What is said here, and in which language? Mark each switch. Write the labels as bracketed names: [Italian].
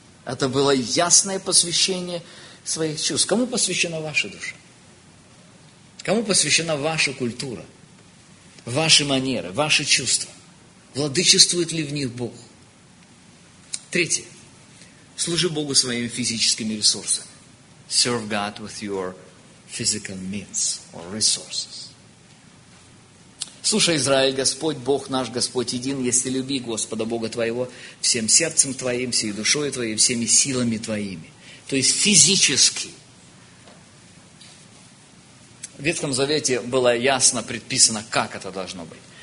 [Russian] Это было ясное посвящение своих чувств. Кому посвящена ваша душа? Кому посвящена ваша культура, ваши манеры, ваши чувства? Владычествует ли в них Бог? Третье. Служи Богу своими физическими ресурсами. [English] Serve God with your physical means or resources. [Russian] Слушай, Израиль, Господь, Бог наш, Господь един, если люби Господа Бога твоего всем сердцем твоим, всей душой твоей, всеми силами твоими. То есть физически. В Ветхом Завете было ясно предписано, как это должно быть.